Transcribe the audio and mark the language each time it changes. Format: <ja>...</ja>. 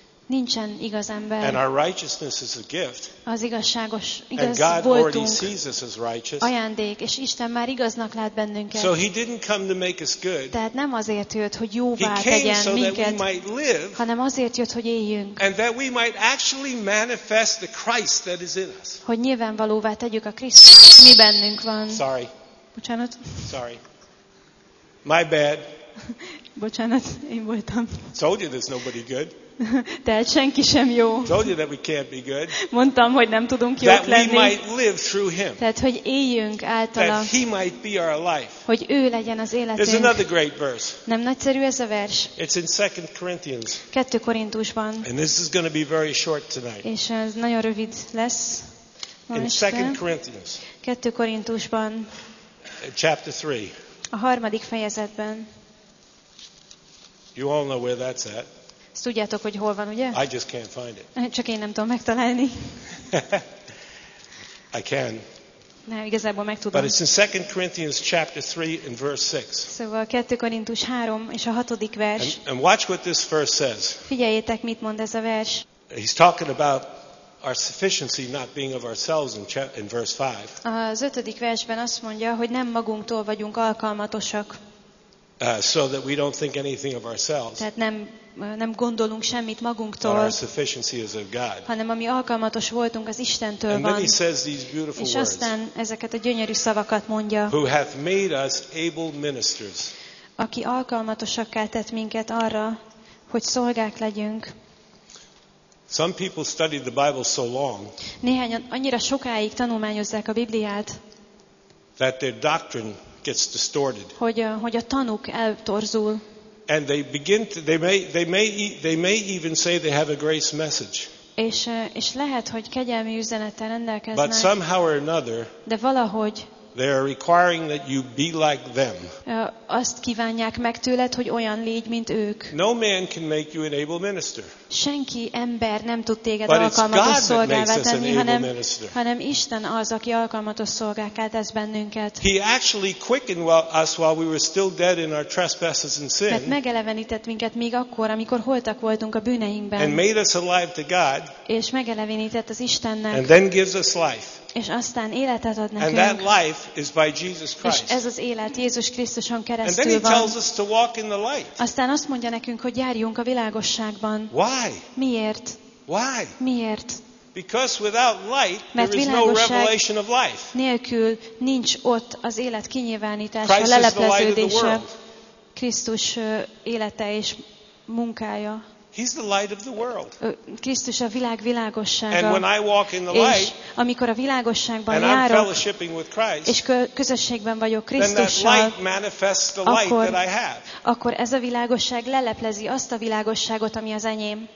<hu>Nincsen igaz ember.</hu> <en>And our righteousness is a gift.</en> <hu>Az igazságos, igaz voltunk.</hu> <en>And God already sees us as righteous.</en> <hu>Ajándék, és Isten már igaznak lát bennünket.</hu> <en>So he didn't come to make us good.</en> <hu>Tehát nem azért jött, hogy jóvá tegyen minket.</hu> <en>He came so that we might live.</en> <hu>Hanem azért jött, hogy éljünk.</hu> <en>And that we might actually manifest the Christ that is in us.</en> <hu>Hogy nyilvánvalóvá tegyük a Krisztust, mi bennünk van.</hu> <en>Sorry.</en> <hu>Bocsánat.</hu> <en>Sorry. My bad.</en> <hu>Bocsánat, én voltam.</hu> <en>Told you there's nobody good.</en> <hu>Tehát senki sem jó.</hu> <en>Told you that we can't be good.</en> <hu>Mondtam, hogy nem tudunk jók lenni.</hu> <en>That we might live through him.</en> <hu>Tehát, hogy éljünk általa.</hu> <en>That he might be our life.</en> <hu>Hogy ő legyen az életünk.</hu> <en>There's another great verse.</en> <hu>Nem nagyszerű ez a vers.</hu> <en>It's in 2 Corinthians.</en> <hu>2 Korintusban.</hu> <en>And this is going to be very short tonight.</en> <hu>És ez nagyon rövid lesz.</hu> <en>In 2 Corinthians.</en> <hu>2 Korintusban.</hu> <en>Chapter 3.</en> <hu>A harmadik fejezetben.</hu> <en>You all know where that's at.</en> <hu>Ezt tudjátok, hogy hol van, ugye?</hu> <en>I just can't find it.</en> <hu>Csak én nem tudom megtalálni.</hu> <en>I can.</en> <hu>Na, igazából megtudom.</hu> <en>But it's in 2 Corinthians chapter 3 and verse 6.</en> <hu>Szóval 2 Korintus 3 és a 6. vers.</hu> <en>And watch what this verse says.</en> <hu>Figyeljétek, mit mond ez a vers.</hu> <en>He's talking about our sufficiency not being of ourselves in verse 5.</en> <hu>Az 5. versben azt mondja, hogy nem magunktól vagyunk alkalmatosak.</hu> <en>So that we don't think anything of ourselves.</en> <hu>Tehát nem gondolunk semmit magunktól,</hu> <en>our sufficiency is of God.</en> <hu>Hanem ami alkalmatos voltunk, az Istentől van.</hu> <en>And then he says these beautiful words.</en> <hu>És aztán ezeket a gyönyörű szavakat mondja.</hu> <en>Who hath made us able ministers.</en> <hu>Aki alkalmatosakká tett minket arra, hogy szolgák legyünk.</hu> <en>Some people study the Bible so long.</en> <hu>Néhányan annyira sokáig tanulmányozzák a Bibliát.</hu> <en>That their doctrine gets distorted.</en> <hu>Hogy a tanuk eltorzul.</hu> <en>And they begin to, they may even say they have a grace message.</en> <hu>És lehet, hogy kegyelmi üzenettel rendelkeznek.</hu> <en>But somehow or another,</en> <hu>de valahogy,</hu> <en>they are requiring that you be like them.</en> <hu>Azt kívánják meg tőled, hogy olyan légy, mint ők.</hu> <en>No man can make you an able minister.</en> <hu>Senki ember nem tud téged alkalmatos szolgává tenni, hanem Isten az, aki alkalmatos szolgákká tesz bennünket.</hu> <en>He actually quickened us while we were still dead in our trespasses and sin.</en> <hu>Mert megelevenített minket még akkor, amikor holtak voltunk a bűneinkben.</hu> <en>And made us alive to God.</en> <hu>És megelevenített az Istennek.</hu> <en>And then gives us life.</en> <hu>És aztán életet ad nekünk.</hu> <en>And that life is by Jesus Christ.</en> <hu>És ez az élet Jézus Krisztuson keresztül van.</hu> <en>And then he tells us to walk in the light.</en> <hu>Aztán azt mondja nekünk, hogy járjunk a világosságban.</hu> <en>Why?</en> <hu>Miért?</hu> <en>Why?</en> <hu>Miért?</hu> <en>Because without light,</en> <hu>mert</hu> <en>there is no revelation of life.</en> <hu>Nélkül nincs ott az élet kinyilvánítása, a lelepleződése. Krisztus élete és munkája.</hu> <en>He's the light of the world.</en> <hu>Krisztus a világ világossága.</hu> <en>And when I walk in the light,</en> <hu>és amikor a világosságban</hu> <en>and</en> <hu>járok,</hu> <en>I'm fellowshipping with Christ,</en> <hu>és közösségben vagyok Krisztussal,</hu> <en>then that light manifests the light that I have.</en> <hu>Akkor ez a világosság leleplezi azt a világosságot, ami az enyém.</hu>